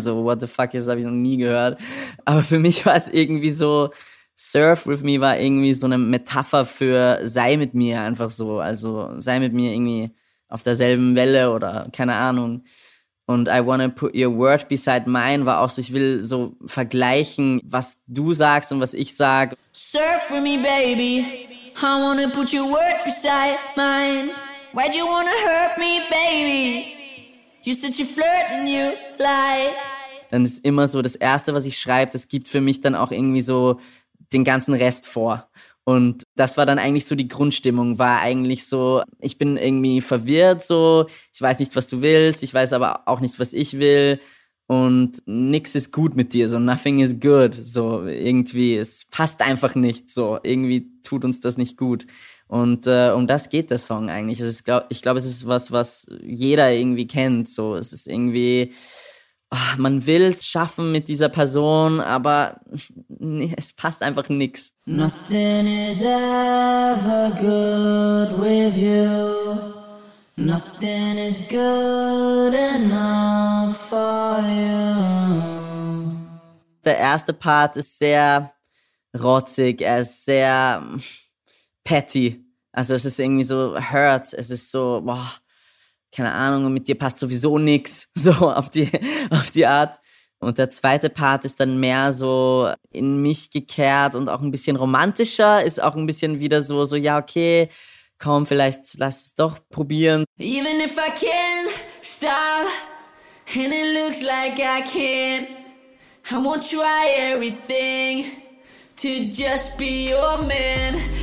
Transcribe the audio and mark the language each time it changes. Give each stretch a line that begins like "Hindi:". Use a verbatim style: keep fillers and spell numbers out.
English: So, what the fuck,
German: das habe ich noch nie gehört. Aber für mich war es irgendwie so,
English: surf with me
German: war irgendwie so eine Metapher für sei mit mir einfach so. Also sei mit mir irgendwie auf derselben Welle oder keine Ahnung. Und
English: I wanna put your word beside mine
German: war auch so, ich will so vergleichen, was du sagst und was ich sag.
English: Surf for me, baby. I wanna put your word beside mine. Why'd you wanna hurt me, baby? You said you flirt and you lie.
German: Dann ist immer so, das Erste, was ich schreibe, das gibt für mich dann auch irgendwie so den ganzen Rest vor. Und das war dann eigentlich so die Grundstimmung, war eigentlich so, ich bin irgendwie verwirrt so, ich weiß nicht, was du willst, ich weiß aber auch nicht, was ich will und nix ist gut mit dir, so
English: nothing is good,
German: so irgendwie, es passt einfach nicht so, irgendwie tut uns das nicht gut und äh, um das geht der Song eigentlich. Also ich glaube, ich glaub, es ist was, was jeder irgendwie kennt, so, es ist irgendwie... Oh, man will es schaffen mit dieser Person, aber nee, es passt einfach nix.
English: Nothing is ever good with you. Nothing is good enough for you.
German: Der erste Part ist sehr rotzig, er ist sehr petty. Also es ist irgendwie so hurt, es ist so... Boah, keine Ahnung, mit dir passt sowieso nix, so auf die, auf die Art. Und der zweite Part ist dann mehr so in mich gekehrt und auch ein bisschen romantischer, ist auch ein bisschen wieder so, so ja, okay, komm, vielleicht lass es doch probieren.
English: Even if I can stop and it looks like I can, I won't try everything to just be your man.